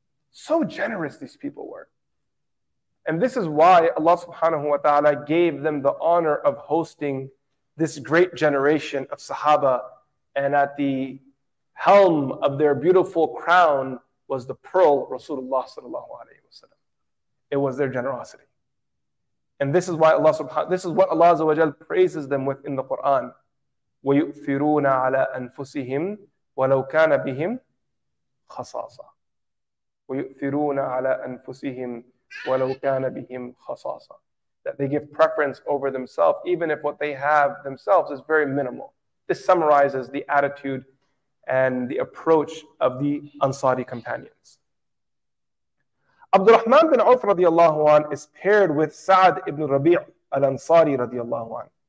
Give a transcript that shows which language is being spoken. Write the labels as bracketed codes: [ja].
[en] So generous these people were. And this is why Allah subhanahu wa ta'ala gave them the honor of hosting this great generation of Sahaba, and at the helm of their beautiful crown was the pearl Rasulullah sallallahu alayhi wasallam. It was their generosity. And this is why Allah subhanahu, this is what Allah azza wa jal praises them with in the Quran. [ar] ويؤثرون على أنفسهم ولو كان بهم خصاصة. ويؤثرون على أنفسهم ولو كان بهم خصاصة. [en] That they give preference over themselves, even if what they have themselves is very minimal. This summarizes the attitude and the approach of the Ansari companions. Abdurrahman bin Auf radiallahu anh is paired with Sa'd ibn Rabi' al-Ansari radiallahu anh.